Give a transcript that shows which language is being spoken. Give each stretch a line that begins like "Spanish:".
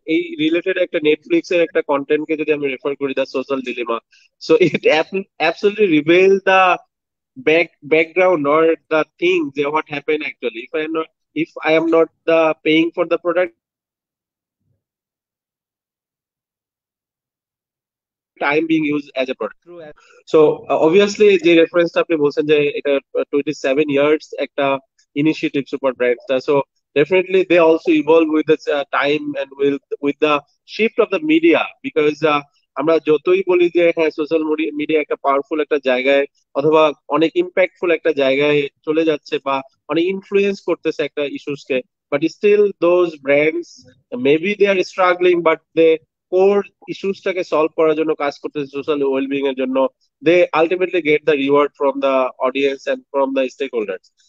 Bangla: এই রিলেটেড একটা নেটফ্লিক্স এর একটা কন্টেন্ট কে যদি আমি রেফার করি, the social dilemma,
English: So it absolutely reveal the background or the thing they what happened actually. If I am not the paying for the product, I am being used as a product. So obviously the reference to
Bangla: apni bolchen je eta 27 years ekta initiative super brand ta,
English: so definitely they also evolve with the time and with the shift of the media, because
Bangla: আমরা যতই বলি যে হ্যাঁ social media একটা powerful একটা জায়গায় অথবা অনেক ইম্প্যাক্টফুল একটা জায়গায় চলে যাচ্ছে বা অনেক ইনফ্লুয়েন্স করতেছে একটা issues K, but still those brands maybe they আর struggling, but they core issues টাকে সলভ করার জন্য কাজ করতেছে সোশ্যাল ওয়েলবিং এর জন্য,
English: They ultimately get the reward from the audience and from the stakeholders.